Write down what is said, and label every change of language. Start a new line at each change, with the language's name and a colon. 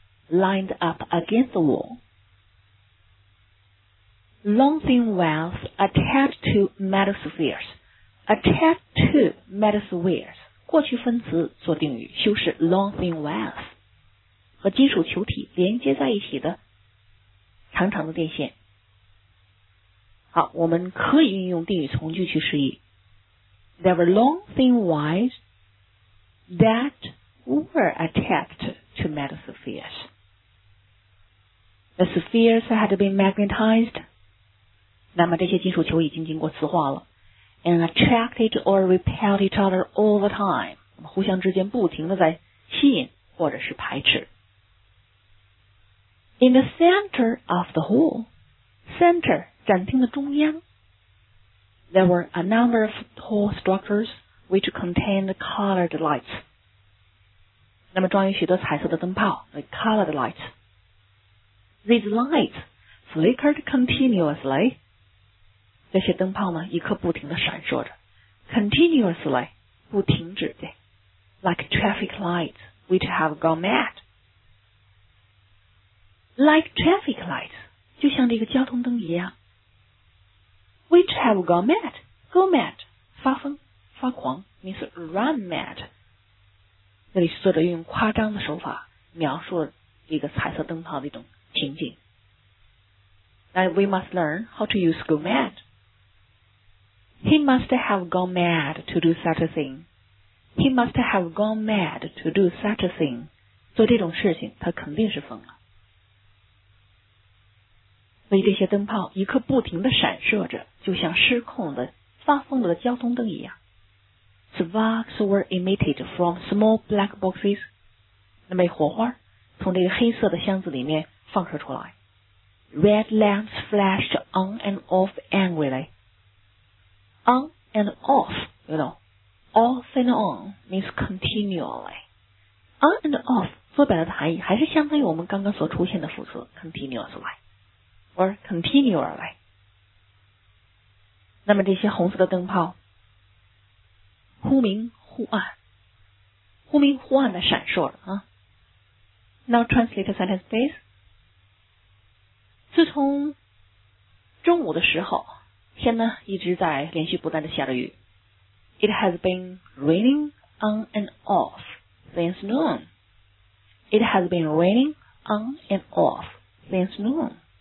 English: Lined up against the wall. Long thin wires attached to metal spheres. Attached to metal spheres.
Chinese: 过去分词做定语修饰
English: long thin wires.
Chinese: 和金属球体连接在一起的长长的电线。好，我们可以运用定语从句去示意。
English: There were long thin wires that were attached to metal spheres. The spheres had been magnetized.
Chinese: 那么这些金属球已经经过磁化了。
English: And attracted or repelled each other all the time.
Chinese: 互相之间不停的在吸引或者是排斥。
English: In the center of the hall,
Chinese: center, 展厅的中央,
English: there were a number of tall structures which contained colored lights.
Chinese: 那么装有许多彩色的灯泡,
English: like colored lights. These lights flickered continuously.
Chinese: 这些灯泡呢,一刻不停地闪烁着。 Continuously, 不停止的。
English: Like traffic lights which have gone mad. Like traffic lights,
Chinese: 就像这个交通灯一样。
English: Which have gone mad, go mad,
Chinese: 发疯发狂
English: means run mad.
Chinese: 这里作者用夸张的手法描述一个彩色灯泡的一种情景。
English: Now we must learn how to use go mad. He must have gone mad to do such a thing. He must have gone mad to do such a thing.
Chinese: 做这种事情他肯定是疯了。所以这些灯泡一刻不停地闪烁着，就像失控的、发疯的交通灯一样。
English: Sparks were emitted from small black boxes.
Chinese: 那枚火花从这个黑色的箱子里面放射出来。
English: Red lamps flashed on and off angrily. On and off, you know. Off and on means continually. On and off,
Chinese: 说白了的含义还是相当于我们刚刚所出现的副词 continuously.
English: Or continually.
Chinese: 那么这些红色的灯泡忽明忽暗。忽明忽暗的闪烁了啊。
English: Now translate the sentence, please.
Chinese: 自从中午的时候天呢一直在连续不断的下着雨。
English: It has been raining on and off since noon. It has been raining on and off since noon.